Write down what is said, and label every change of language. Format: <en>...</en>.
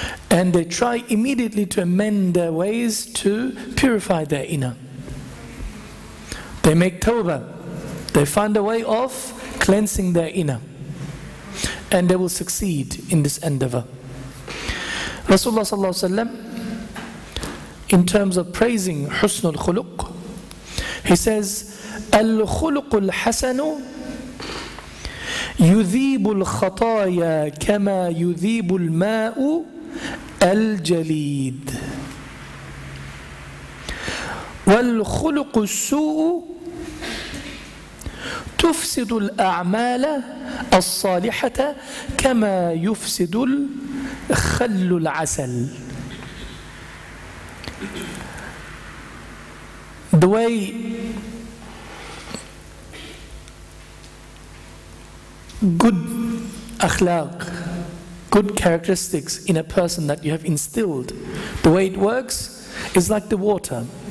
<en>And they try immediately to amend their ways to purify their inner. They make tawbah. They find a way of cleansing their inner. And they will succeed in this endeavor. Rasulullah sallallahu alaihi wasallam, in terms of praising husnul khuluq, he says, al-khuluqu al-hasanu يُذِيبُ الْخَطَايَا كَمَا يُذِيبُ الْمَاءُ الْجَلِيدُ</en> <ar>وَالْخُلُقُ السُّوءُ تُفْسِدُ الْأَعْمَالَ الصَّالِحَةَ كَمَا يُفْسِدُ الْخَلُّ الْعَسَلِ.</ar> <en>The way good akhlaq, good characteristics in a person that you have instilled, the way it works is like the water.</en>